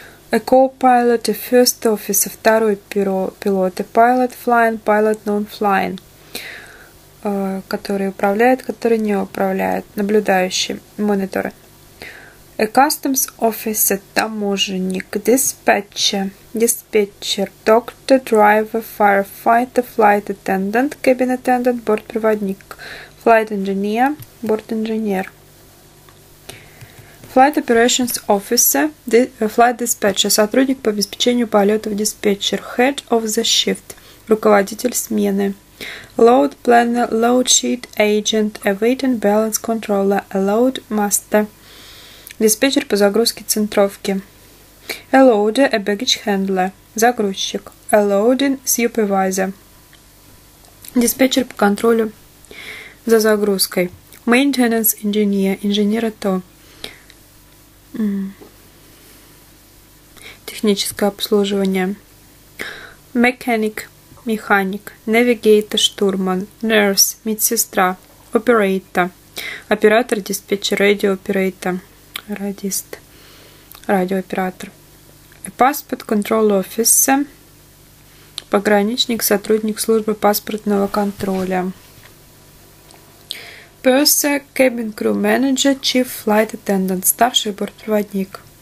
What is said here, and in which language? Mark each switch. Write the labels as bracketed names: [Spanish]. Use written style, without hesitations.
[English] A co-pilot – a first officer – второй пилот, a pilot – flying, pilot – non-flying, [Russian] который управляет, который не управляет, наблюдающий, монитор. [English] A customs officer – таможенник. Dispatcher – диспетчер. Doctor – driver. Firefighter – flight attendant. Cabin attendant – бортпроводник. Flight engineer – бортинженер. Flight operations officer – flight dispatcher – сотрудник по обеспечению полетов диспетчер. Head of the shift – руководитель смены. Load planner – load sheet agent. A weight and balance controller – a load master. [Russian] Диспетчер по загрузке центровки. [English] A loader, a baggage handler. Загрузчик. A loading supervisor. [Russian] Диспетчер по контролю за загрузкой. [English] Maintenance engineer. Инженер АТО. [Russian] Техническое обслуживание. [English] Mechanic. Механик. Navigator. Штурман. Nurse. Медсестра. Operator. [Russian] Оператор, диспетчер, radio operator. Радист, радиооператор. [English] A passport control officer. [Russian] Пограничник, сотрудник службы паспортного контроля. [English] Purser, cabin crew manager, chief flight attendant, старший бортпроводник.